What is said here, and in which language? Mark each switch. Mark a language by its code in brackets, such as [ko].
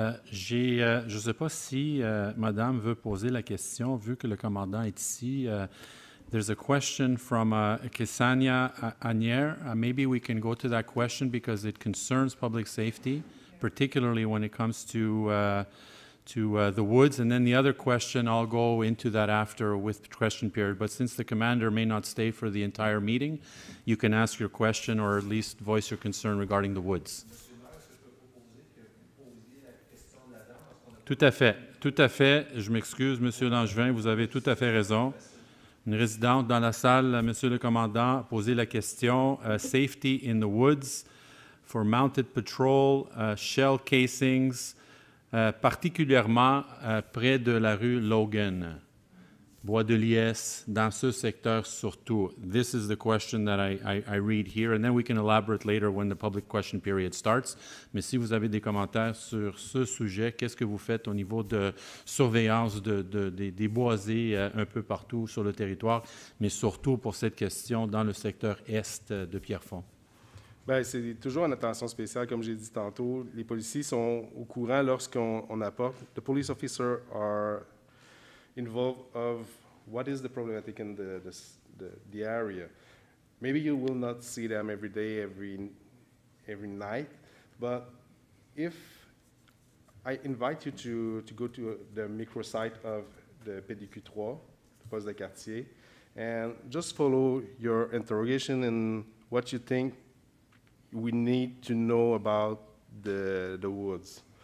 [fr] Je ne sais pas si Madame veut poser la question, vu que le commandant est ici. [en] There's a question from Ksenia Anier. Maybe we can go to that question because it concerns public safety, particularly when it comes to the woods. And then the other question, I'll go into that after with the question period. But since the commander may not stay for the entire meeting, you can ask your question or at least voice your concern regarding the woods. [fr] Tout à fait. Tout à fait. Je m'excuse, M. Langevin, vous avez tout à fait raison. Une résidente dans la salle, M. le commandant, a posé la question. [en] Safety in the woods for mounted patrol, shell casings, [fr] particulièrement près de la rue Logan, Bois de Liesse, dans ce secteur surtout. [en] This is the question that I read here, and then we can elaborate later when the public question period starts. [fr] Mais si vous avez des commentaires sur ce sujet, qu'est-ce que vous faites au niveau de surveillance des boisés un peu partout sur le territoire, mais surtout pour cette question dans le secteur est de Pierrefonds? Bien, c'est toujours une attention spéciale, comme j'ai dit tantôt. Les policiers sont au courant lorsqu'on apporte. [en] The police officers are involved of what is the problematic in the area. Maybe you will not see them every day, every night, but if I invite you to go to the microsite of the PDQ3, the poste de quartier, and just follow your interrogation and what you think we need to know about the woods.